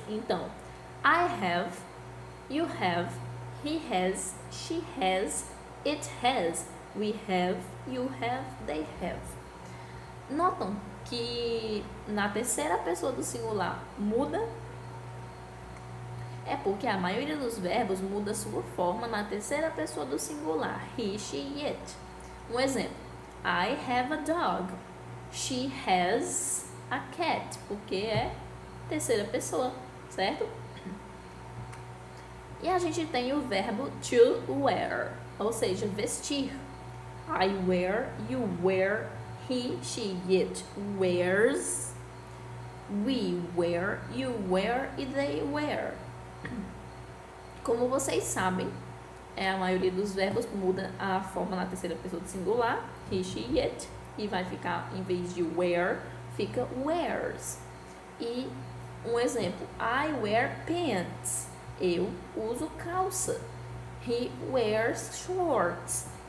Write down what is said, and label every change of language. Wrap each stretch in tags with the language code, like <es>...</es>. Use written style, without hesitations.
<en>Então, I have, you have, he has, she has, it has, we have, you have, they have.</en> <pt>Notam que na terceira pessoa do singular muda? É porque a maioria dos verbos muda sua forma na terceira pessoa do singular. He, she, it. Um exemplo.</pt> <en>I have a dog. She has a cat,</en> <pt>porque é terceira pessoa, certo? E a gente tem o verbo to wear, ou seja, vestir.</pt> <en>I wear, you wear, he, she, it wears, we wear, you wear e they wear.</en> <pt>Como vocês sabem, a maioria dos verbos muda a forma na terceira pessoa do singular, he, she, it. E vai ficar, em vez de wear, fica wears. E um exemplo.</pt> <en>I wear pants.</en> <pt>Eu uso calça.</pt> <en>He wears shorts.</en>